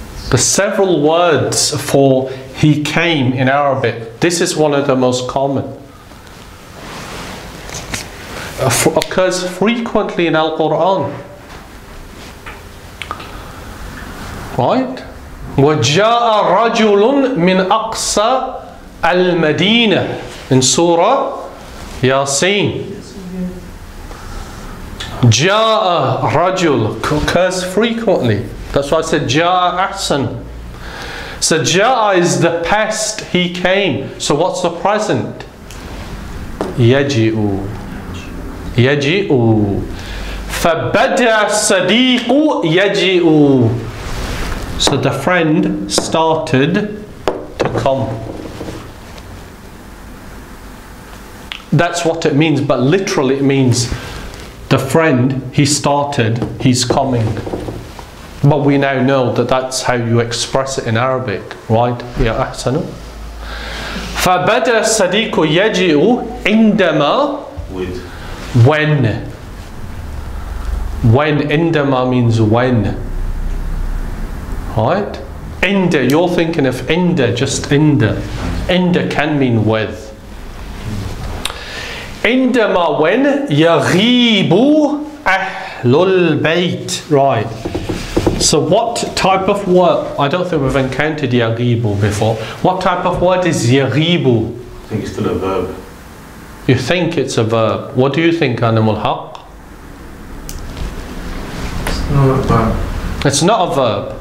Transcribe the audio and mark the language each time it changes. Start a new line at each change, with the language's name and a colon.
English: There's several words for he came in Arabic. This is one of the most common. Occurs frequently in Al-Quran. Right?
Arabic: وَجَاءَ رَجُلٌ مِنْ أَقْصَى الْمَدِينَةِ
English: in Surah Yasin.
Arabic: Ja'a rajul
English: occurs frequently. That's why I said
Arabic: Ja'a ahsan.
English: So Ja'a is the past, he came. So what's the present?
Arabic: Yaji'u. Yaji'u. Fabada sadiqu yaji'u.
English: So the friend started to come. That's what it means, but literally it means the friend, he started, he's coming. But we now know that that's how you express it in Arabic, right?
Arabic: Ya ahsanu. Fabada sadiqu yaji'u indama.
English: With. When. When, indama means when. Right? Inda, you're thinking of inda, just inda. Inda can mean with.
Arabic: عندما
English: when
Arabic: يغيب أهل البيت
English: right So what type of word? I don't think we've encountered yaghibu before. What type of word is yaghibu? I think it's still a verb. You think it's a verb. What do you think, Animal Haq? It's not a verb. It's not a verb.